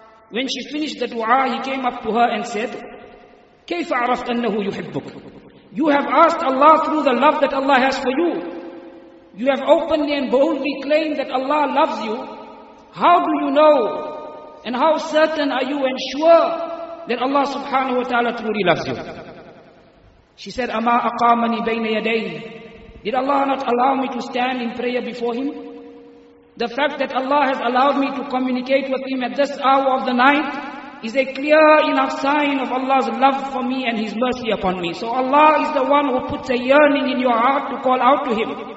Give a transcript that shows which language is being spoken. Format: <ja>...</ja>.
<en>When she finished the dua, he came up to her and said,</en> <ar>كَيْفَ عَرَفْتَ أَنَّهُ يُحِبُّكَ.</ar> <en>You have asked Allah through the love that Allah has for you. You have openly and boldly claimed that Allah loves you. How do you know and how certain are you and sure that Allah subhanahu wa ta'ala truly loves you? She said,</en> <ar>أَمَا أَقَامَنِي بَيْنَ يَدَيْهِ.</ar> <en>Did Allah not allow me to stand in prayer before Him? The fact that Allah has allowed me to communicate with Him at this hour of the night is a clear enough sign of Allah's love for me and His mercy upon me. So Allah is the one who puts a yearning in your heart to call out to Him.</en>